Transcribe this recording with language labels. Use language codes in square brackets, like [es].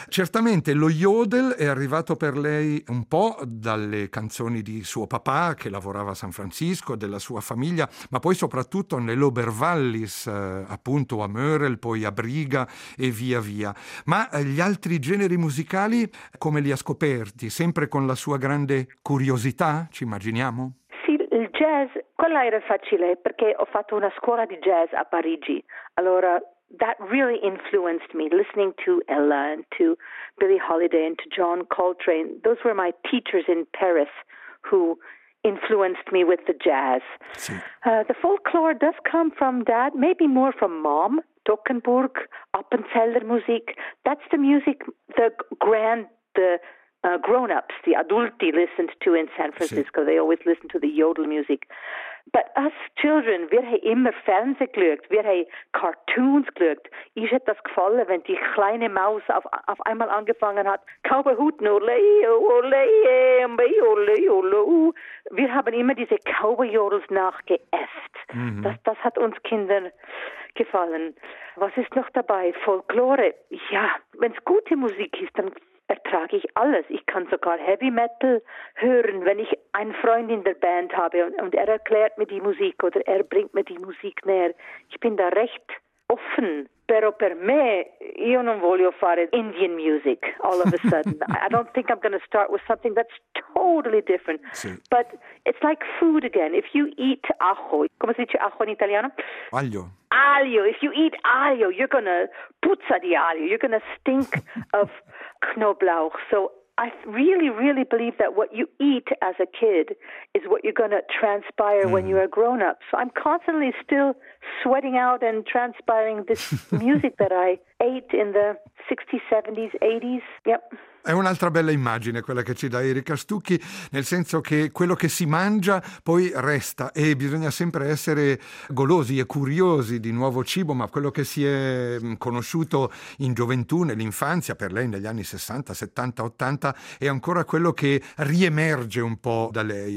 [it] Certamente lo yodel è arrivato per lei un po' dalle canzoni di suo papà, che lavorava a San Francisco, della sua famiglia, ma poi soprattutto nell'Obervallis, appunto a Mörel, poi a Briga e via via. Ma gli altri generi musicali come li ha scoperti? Sempre con la sua grande curiosità, ci immaginiamo? Sì, il jazz. Quella era facile perché ho fatto una scuola di jazz a Parigi. [en] Allora, that really influenced me, listening to Ella and to Billie Holiday and to John Coltrane. Those were my teachers in Paris who influenced me with the jazz. [it] Sì. [en] The folklore does come from dad, maybe more from mom, Toggenburg, Appenzeller Musik. That's the music grown-ups, the adulti, listened to in San Francisco. Sì. They always listened to the yodel music. But us children, [de] wir haben immer Fernsehen geschaut, wir haben Cartoons geschaut. Ich hätte das gefallen, wenn die kleine Maus auf einmal angefangen hat, Cowboy-Huten, ole, ole, ole, ole, ole. Wir haben immer diese Cowboy-Jodels nachgeäfft. Mhm. Das hat uns Kindern gefallen. Was ist noch dabei? Folklore. Ja, wenn es gute Musik ist, dann ertrage ich alles. Ich kann sogar Heavy Metal hören, wenn ich einen Freund in der Band habe und er erklärt mir die Musik oder er bringt mir die Musik näher. Ich bin da recht offen. [it] Però per me, io non voglio fare [en] Indian music all of a sudden. I don't think I'm going to start with something that's totally different. [it] Sì. [en] But it's like food again. If you eat ajo, [it] come si dice ajo in italiano? Aglio. [en] Aglio. If you eat aglio, you're going to [it] puzza di aglio. [en] You're going to stink of Knoblauch. So I really, really believe that what you eat as a kid is what you're going to transpire when you are grown up. So I'm constantly still sweating out and transpiring this music that I ate in the 60s, 70s, 80s. Yep. [it] È un'altra bella immagine quella che ci dà Erika Stucchi, nel senso che quello che si mangia poi resta e bisogna sempre essere golosi e curiosi di nuovo cibo, ma quello che si è conosciuto in gioventù, nell'infanzia, per lei negli anni 60, 70, 80, è ancora quello che riemerge un po' da lei.